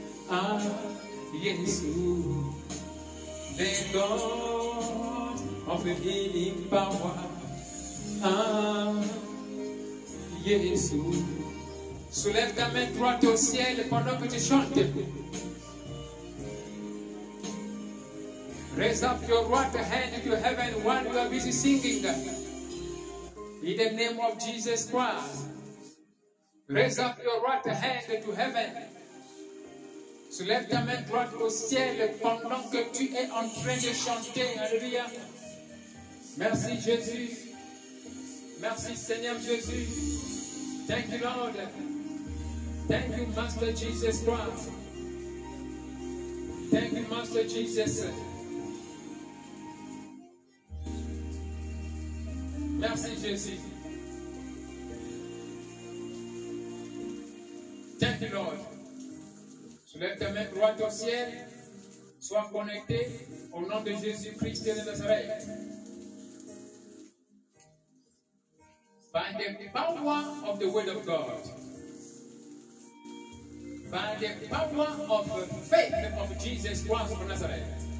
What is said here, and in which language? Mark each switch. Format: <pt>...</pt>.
<fr>Ah, Jésus, les dons ont fait venir par moi. Ah, Jésus, soulève ta main droite au ciel pendant que tu chantes.</fr> <en>Raise up your right hand to heaven while you are busy singing. In the name of Jesus Christ, raise up your right hand to heaven.</en> <fr>Soulève ta main droite au ciel pendant que tu es en train de chanter. Alléluia. Merci Jésus. Merci Seigneur Jésus.</fr> <en>Thank you Lord. Thank you Master Jesus Christ. Thank you Master Jesus.</en> <fr>Merci Jésus.</fr> <en>Thank you Lord.</en> <fr>Soulève ta main droite au ciel. Sois connecté au nom de Jésus-Christ de Nazareth.</fr> <en>By the power of the word of God. By the power of faith of Jesus Christ of Nazareth.</en>